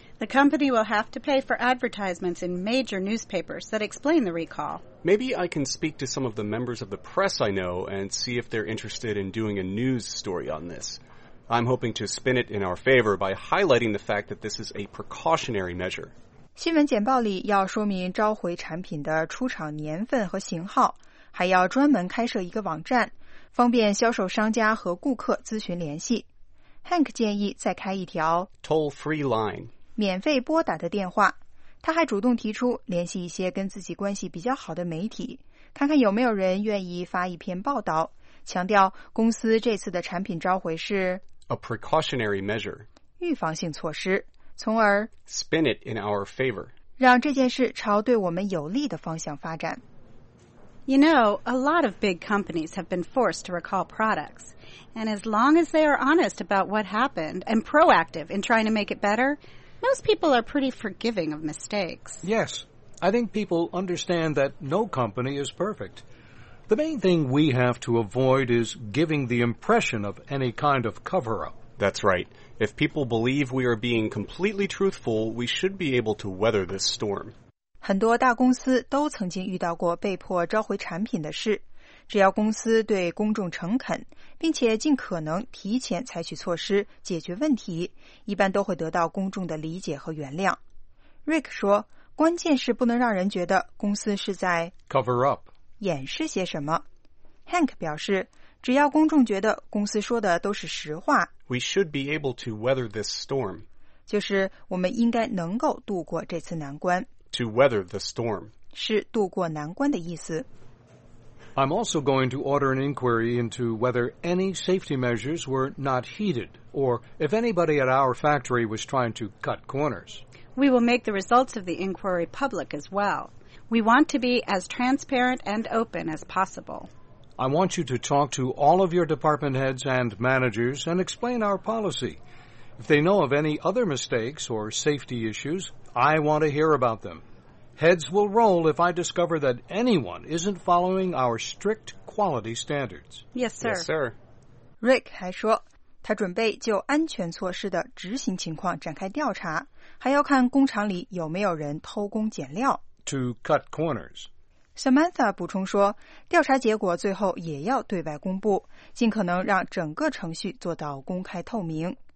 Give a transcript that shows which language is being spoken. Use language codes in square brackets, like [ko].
[en] The company will have to pay for advertisements in major newspapers that explain the recall. Maybe I can speak to some of the members of the press I know and see if they're interested in doing a news story on this. I'm hoping to spin it in our favor by highlighting the fact that this is a precautionary measure. [zh] 新闻简报里要说明召回产品的出厂年份和型号，还要专门开设一个网站，方便销售商家和顾客咨询联系。 Hank 建议再开一条 [en] toll-free line. [zh] 免费拨打的电话，他还主动提出联系一些跟自己关系比较好的媒体，看看有没有人愿意发一篇报道，强调公司这次的产品召回是 [en] a precautionary measure [zh] 预防性措施，从而 [en] spin it in our favor [zh] 让这件事朝对我们有利的方向发展。 [en] You know, a lot of big companies have been forced to recall products. And as long as they are honest about what happened and proactive in trying to make it better,Most people are pretty forgiving of mistakes. Yes, I think people understand that no company is perfect. The main thing we have to avoid is giving the impression of any kind of cover-up. That's right. If people believe we are being completely truthful, we should be able to weather this storm. [zh] 很多大公司都曾经遇到过被迫召回产品的事。只要公司对公众诚恳，并且尽可能提前采取措施解决问题，一般都会得到公众的理解和原谅。 Rick 说，关键是不能让人觉得公司是在 [en] cover up [zh] 掩饰些什么。 Hank 表示，只要公众觉得公司说的都是实话 [en] ，We should be able to weather this storm， [zh] 就是我们应该能够度过这次难关。 [en] To weather the storm， [zh] 是渡过难关的意思。 [en] I'm also going to order an inquiry into whether any safety measures were not heeded, or if anybody at our factory was trying to cut corners. We will make the results of the inquiry public as well. We want to be as transparent and open as possible. I want you to talk to all of your department heads and managers and explain our policy. If they know of any other mistakes or safety issues, I want to hear about them. Heads will roll if I discover that anyone isn't following our strict quality standards. Yes, sir. Yes, sir. [zh] Rick 还说，他准备就安全措施的执行情况展开调查，还要看工厂里有没有人偷工减料。 [en] To cut corners. [zh] Samantha 补充说，调查结果最后也要对外公布，尽可能让整个程序做到公开透明。